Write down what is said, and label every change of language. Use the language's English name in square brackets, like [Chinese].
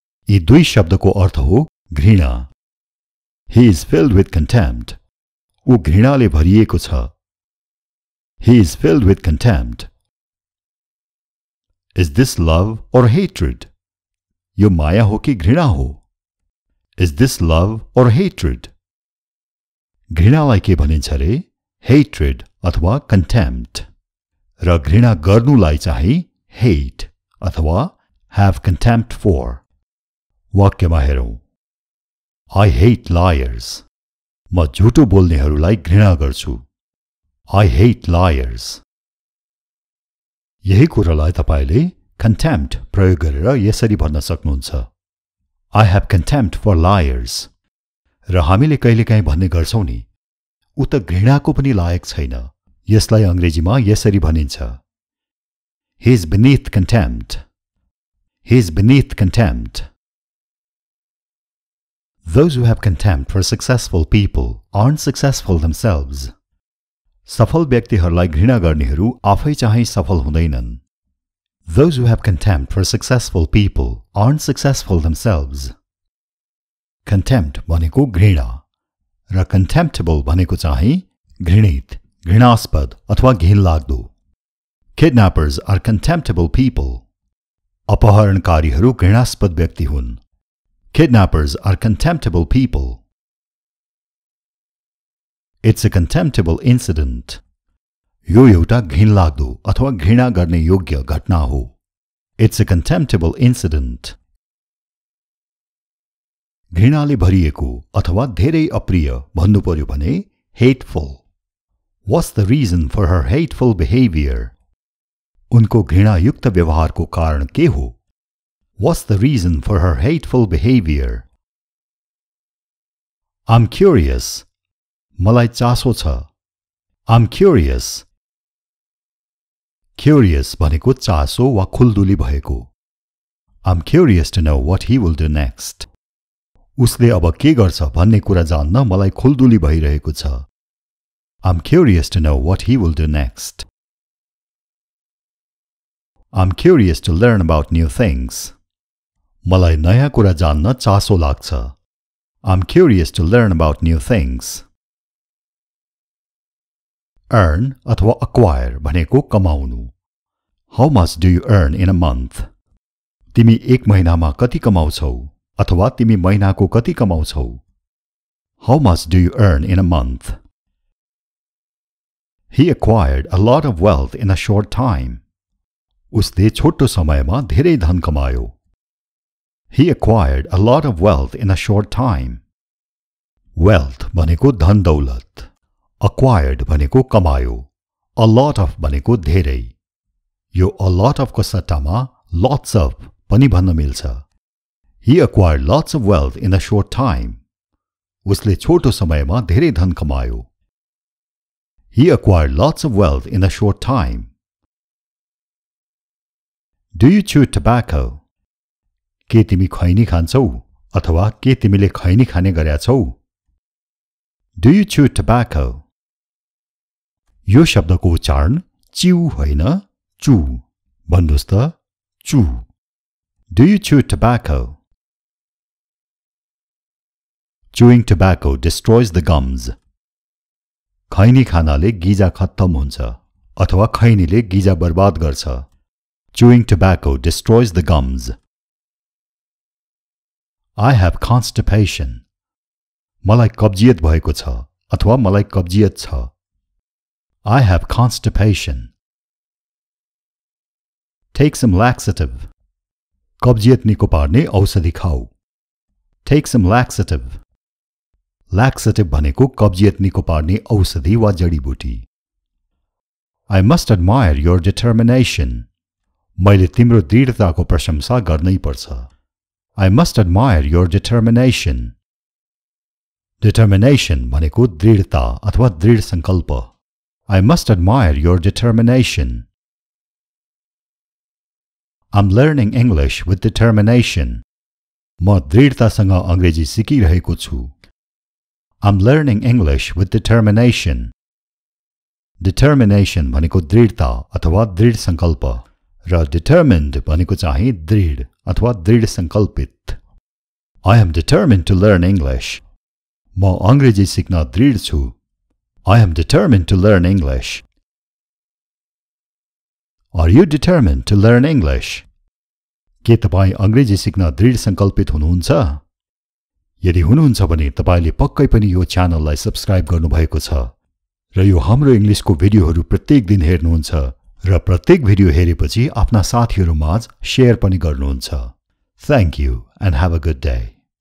[Nepali] यी दुई शब्दको अर्थ हो घृणा [English] He is filled with contempt [Nepali] ऊ घृणाले भरिएको छ. [English] He is filled with contempt. Is this love or hatred? [Nepali] यो माया हो कि घृणा हो? [English] Is this love or hatred? [Nepali] घृणालाई के भनिन्छ रे? [English] Hatred अथवा contempt. [Nepali] र घृणा गर्नुलाई चाहिँ hate अथवा [English] have contempt for. [Nepali] वाक्यमा हेरौँ. [English] I hate liars. [Nepali] म झुटो बोल्नेहरूलाई घृणा गर्छु. [English] I hate liars. [Nepali] यही कुरालाई तपाईँले contempt प्रयोग गरेर यसरी भन्न सक्नुहुन्छ. [English] I have contempt for liars. [Nepali] र हामीले कहिलेकाहीँ भन्ने गर्छौँ नि, ऊ त घृणाको पनि लायक छैन. यसलाई अङ्ग्रेजीमा यसरी भनिन्छ. [English] He is beneath contempt. He is beneath contempt. Those who have contempt for successful people aren't successful themselves. [Nepali] सफल व्यक्तिहरूलाई घृणा गर्नेहरू आफै चाहिँ सफल हुँदैनन्. [English] Those who have contempt for successful people aren't successful themselves. [Nepali] Contempt भनेको घृणा र contemptible भनेको चाहिँ घृणित, घृणास्पद अथवा घिनलाग्दो. [English] Kidnappers are contemptible people. [Nepali] अपहरणकारीहरू घृणास्पद व्यक्ति हुन्. [English] Kidnappers are contemptible people. It's a contemptible incident. [Nepali] यो एउटा घिनलाग्दो अथवा घृणा गर्ने योग्य घटना हो. [English] It's a contemptible incident. [Nepali] घृणाले भरिएको अथवा धेरै अप्रिय भन्नु पर्यो भने hateful. [English] What's the reason for her hateful behavior? [Nepali] उनको घृणायुक्त व्यवहारको कारण के हो? [English] What's the reason for her hateful behavior? I'm curious. [Nepali] मलाई चासो छ. [English] I'm curious. [Nepali] Curious भनेको चासो वा खुल्दुली भएको. [English] I'm curious to know what he will do next. [Nepali] उसले अब के गर्छ भन्ने कुरा जान्न मलाई खुल्दुली भइरहेको छ. [English] I'm curious to know what he will do next. I'm curious to learn about new things. [Nepali] मलाई नयाँ कुरा जान्न चासो लाग्छ. [English] I'm curious to learn about new things. [Nepali] Earn अथवा acquire भनेको कमाउनु. [English] How much do you earn in a month? [Nepali] तिमी एक महिनामा कति कमाउँछौ अथवा तिमी महिनाको कति कमाउँछौ? [English] How much do you earn in a month? He acquired a lot of wealth in a short time. [Nepali] उसले छोटो समयमा धेरै धन कमायो. [English] He acquired a lot of wealth in a short time. [Nepali] Wealth भनेको धन दौलत. Acquired भनेको कमायो. [English] A lot of [Nepali] भनेको धेरै. यो [English] a lot of [Nepali] को सट्टामा [English] lots of [Nepali] पनि भन्न मिल्छ. [English] He acquired lots of wealth in a short time. [Nepali] उसले छोटो समयमा धेरै धन कमायो. [English] He acquired lots of wealth in a short time. Do you chew tobacco? [Nepali] के तिमी खैनी खान्छौ अथवा के तिमीले खैनी खाने गरेका छौ? [English] Do you chew tobacco? [Nepali] यो शब्दको उच्चारण च्यू होइन चु. भन्नुहोस् त चु. [English] Do you chew tobacco? Chewing tobacco destroys the gums. [Nepali] खैनी खानाले गिजा खत्तम हुन्छ अथवा खैनीले गिजा बर्बाद गर्छ. [English] Chewing tobacco destroys the gums. I have constipation. [Nepali] मलाई कब्जियत भएको छ अथवा मलाई कब्जियत छ. [English] I have constipation. Take some laxative. [Nepali] कब्जियत निको पार्ने औषधि खाऊ. [English] Take some laxative. [Nepali] Laxative भनेको कब्जियत निको पार्ने औषधि वा जडीबुटी. [English] I must admire your determination. [Nepali] मैले तिम्रो दृढताको प्रशंसा गर्नै पर्छ. [English] I must admire your determination. [Nepali] Determination भनेको दृढता अथवा दृढ संकल्प. [English] I must admire your determination. I'm learning English with determination. [Nepali] म दृढतासँग अङ्ग्रेजी सिकिरहेको छु. [English] I'm learning English with determination. [Nepali] Determination भनेको दृढता अथवा दृढ संकल्प र determined भनेको चाहिँ दृढ अथवा दृढ संकल्पित. [English] I am determined to learn English. [Nepali] म अङ्ग्रेजी सिक्न दृढ छु. [English] I am determined to learn English. Are you determined to learn English? [Nepali] के तपाईं अंग्रेजी सिक्न दृढ़ संकल्पित हुनुहुन्छ? यदि हुनुहुन्छ भने तपाईंले पक्कै पनि यो च्यानललाई सब्स्क्राइब गर्नुभएको छ र यो हाम्रो इंग्लिशको भिडियोहरू प्रत्येक दिन हेर्नुहुन्छ र प्रत्येक भिडियो हेरेपछि आफ्ना साथीहरूमाझ शेयर पनि गर्नुहुन्छ। [English] Thank you and have a good day.